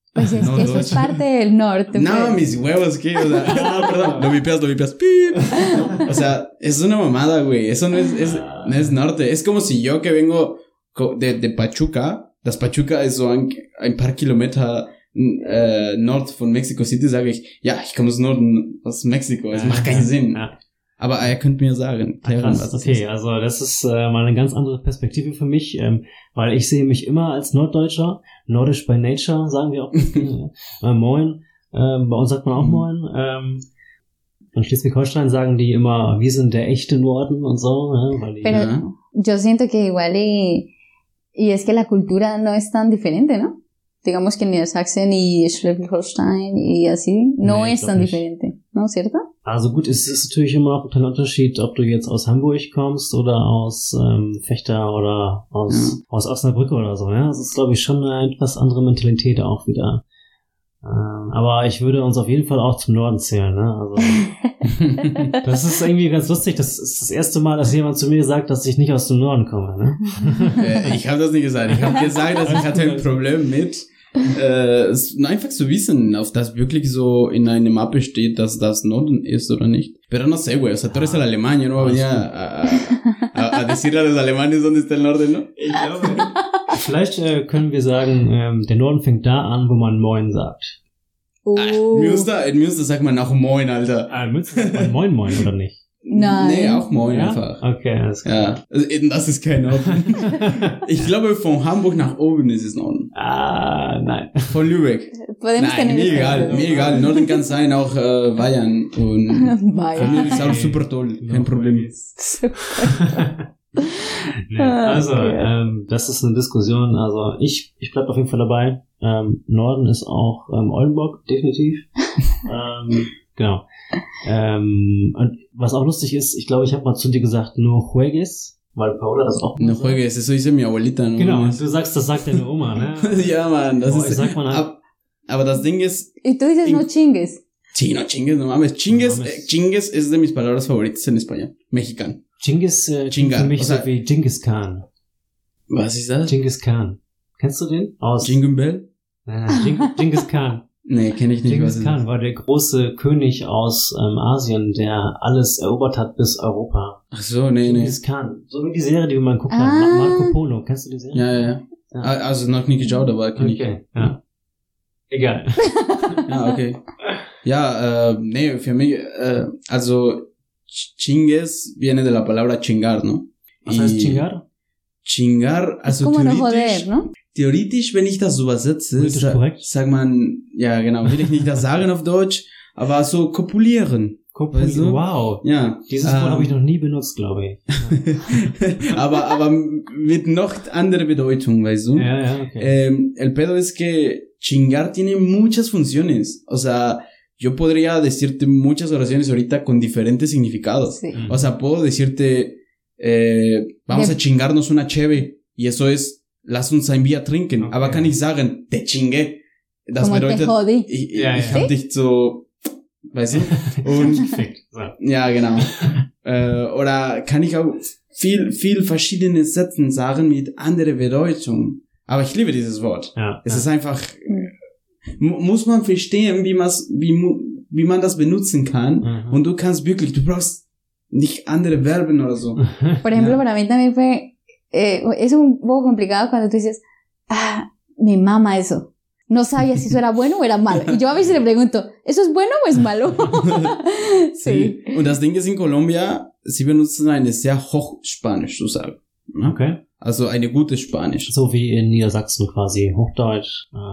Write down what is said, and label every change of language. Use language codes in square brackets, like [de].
[es] Pues es que eso es parte del norte. No, pues. Mis huevos, ¿qué? O sea, no, perdón. Lo vipeas. O sea, es una mamada, güey. Eso no es, no es norte. Es como si yo que vengo de Pachuca. Las [de] Pachuca es so ein paar [es] kilómetros [de] nord von Mexico City. Sage ich, ja, ich komme aus Norden, aus Mexiko. Es macht keinen Sinn. Ja. Aber er könnte mir sagen, Teran, was das okay, ist. Also das ist mal eine ganz andere Perspektive für mich, weil ich sehe mich immer als Norddeutscher, nordisch by nature, sagen wir auch. Moin, bei uns sagt man auch Moin. In Schleswig-Holstein sagen die immer, wir sind der echte Norden und so. Weil die, [es] pero yo siento que igual y es que la cultura no es tan diferente, ¿no? Digamos que Niedersachsen y Schleswig-Holstein y así, no nee, es tan [de] nicht. [es] Diferente, ¿no? ¿Cierto? [de] Also gut, es ist natürlich immer noch ein kleiner Unterschied, ob du jetzt aus Hamburg kommst oder aus Vechta oder aus Osnabrück oder so. Ja, das ist, glaube ich, schon eine etwas andere Mentalität auch wieder. Aber ich würde uns auf jeden Fall auch zum Norden zählen. Ne? Also, das ist irgendwie ganz lustig. Das ist das erste Mal, dass jemand zu mir sagt, dass ich nicht aus dem Norden komme. Ne? Ich habe das nicht gesagt. Ich habe gesagt, dass ich hatte ein Problem mit... einfach zu wissen, auf das wirklich so in einer Mappe steht, dass das Norden ist oder nicht. [es] Pero no sé, güey. O sea, tú eres el alemán, yo no voy a decirle a los alemanes dónde está el Norden, ¿no? [de] Ich glaube. Vielleicht können wir sagen, der Norden fängt da an, wo man Moin sagt. Münster, in Münster sagt man auch Moin, Alter. Ah, Münster sagt man Moin Moin, oder nicht? Nein. Nee, auch Moin einfach. Okay, das ist klar. Ja. Also, eben, das ist kein Norden. Ich glaube, von Hamburg nach oben ist es Norden. Ah, nein. Von Lübeck. Nein, mir egal. Norden kann sein, auch Bayern. Und Bayern. Von mir ist auch super toll, kein Problem. Nee, also, das ist eine Diskussion. Also, ich bleib auf jeden Fall dabei. Norden ist auch Oldenburg, definitiv. genau. Und was auch lustig ist, ich glaube, ich habe mal zu dir gesagt, [es] nur juegues, [de] weil Paola das auch. [es] Nur juegues, eso dice mi abuelita. [de] Genau, du sagst, das sagt deine Oma, ne? Ja, man, das ist. Sagt man halt, aber das Ding ist. [es] Y tú dices no chingues. Sí, no chingues, no mames. Chingues, chingues es de mis palabras favoritas en español. Mexicano. Chingues, Chinga. [de] Für mich, [es] o sea, [de] so wie Genghis Khan. Was ist das? Genghis Khan. Kennst du den? Aus. Jingle Bell? Genghis Khan. Nee, kenne ich nicht. Genghis Khan war der große König aus Asien, der alles erobert hat bis Europa. Ach so, nee, Genghis nee. Genghis Khan. So wie die Serie, die wir mal geguckt haben. Marco Polo. Kennst du die Serie? Ja, ja, ja. Also noch nie geschaut, aber kenne ich. Okay, ja. Egal. Ja, okay. Ja, nee, für mich, also. [es] Chingues viene de la palabra chingar, ¿no? [de] Was heißt chingar? Chingar, also theoretisch, [es] ¿no? [de] Theoretisch, wenn ich das übersetze, sag man, ja genau, will ich nicht das sagen auf Deutsch, aber so kopulieren. Kopulieren, weißt du? Wow. Ja. Dieses Wort habe ich noch nie benutzt, glaube ich. aber mit noch andere Bedeutung, weißt du? Ja, ja, okay. [es] El pedo es que chingar tiene muchas funciones, o sea... Yo podría decirte muchas oraciones ahorita con diferentes significados. Sí. O sea, puedo decirte, vamos a chingarnos una cheve. Y eso es, [de] lass uns ein Bier trinken. Okay. Aber kann ich sagen, [es] te chingue. [de] Das [es] como [de] bedeutet, [es] te jodi. [de] Ich hab dich so, weißt du? Und, ja, genau. Oder kann ich auch viel, viel verschiedene Sätze sagen mit anderer Bedeutung. Aber ich liebe dieses Wort. Ja, es ist einfach... Muss man verstehen, wie man das benutzen kann. Uh-huh. Und du kannst wirklich, du brauchst nicht andere Verben oder so. [es] Por ejemplo, para mí también fue, es un poco complicado cuando tú dices, ah, me mama eso. No sabía si eso era bueno o era malo. Y yo a veces le pregunto, ¿eso es bueno o es malo? Sí. Sí. [de] Und das Ding ist, in Colombia, sie benutzen eine sehr hochspanisch, so sagen. Okay. Also eine gute Spanisch. So wie in Niedersachsen quasi, Hochdeutsch.